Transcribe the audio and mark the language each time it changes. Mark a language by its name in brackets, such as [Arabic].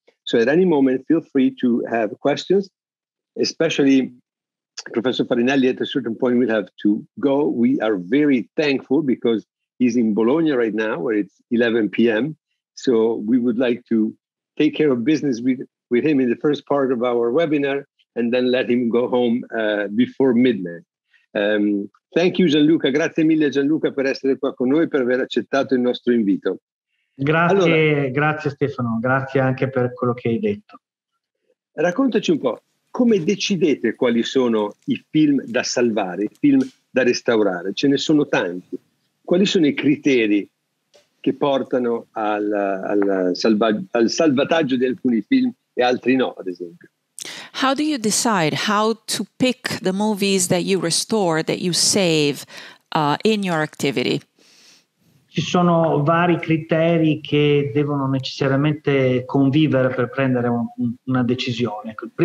[English] So at any moment, feel free to have questions, especially Professor Farinelli, at a certain point, we'll have to go. We are very thankful because he's in Bologna right now, where it's 11 p.m. So we would like to take care of business with him in the first part of our webinar and then let him go home before midnight. Thank you, Gianluca. [Italian] Grazie mille, Gianluca, per essere qua con noi, per aver accettato il nostro invito. Grazie, allora, grazie Stefano, grazie anche per quello che hai detto. Raccontaci un po', come decidete quali sono i film da salvare, i film da restaurare? Ce ne sono tanti. Quali sono i criteri che portano al salvataggio di alcuni film e altri no, ad esempio? [English] How do you decide how to pick the movies that you restore, that you save in your activity? [Italian] Ci sono vari criteri che devono necessariamente convivere per prendere una decisione.